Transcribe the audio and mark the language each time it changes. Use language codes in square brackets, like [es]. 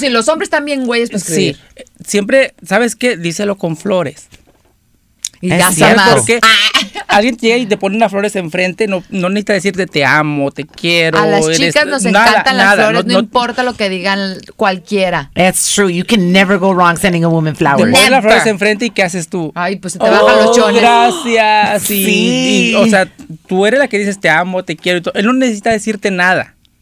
[es] Sí, eso sí, los hombres también güeyes para escribir. Sí, siempre, ¿sabes qué? Díselo con flores. Y ya sabes por qué. Alguien llega y te pone unas flores enfrente, no necesita decirte te amo, te quiero. A las chicas nos encantan las flores, no importa lo que digan cualquiera. [en] That's true, you can never go wrong sending a woman flowers. [es] Te pones las flores enfrente y ¿qué haces tú? Ay, pues se te bajan los chones. Gracias. Y, o sea, tú eres la que dices te amo, te quiero y todo. Él no necesita decirte nada.